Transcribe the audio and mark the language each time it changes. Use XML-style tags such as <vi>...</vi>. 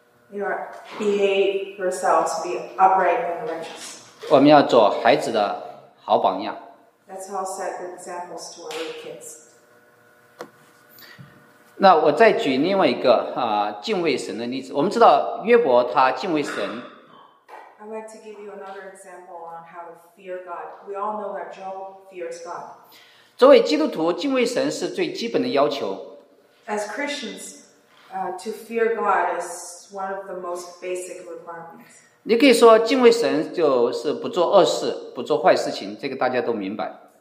<en>You behave yourselves to be upright and righteous.</en> <zh>我们要做孩子的好榜样。</zh> <en>Let's all set good examples to our kids.</en> <zh>那我再举另外一个敬畏神的例子。我们知道约伯他敬畏神。</zh> <en>I'd like to give you another example on how to fear God. We all know that Job fears God.</en> <zh>作为基督徒，敬畏神是最基本的要求。</zh> <en>As Christians, to fear God is one of the most basic requirements.</en> <zh>你可以说敬畏神就是不做恶事，不做坏事情，这个大家都明白。</zh>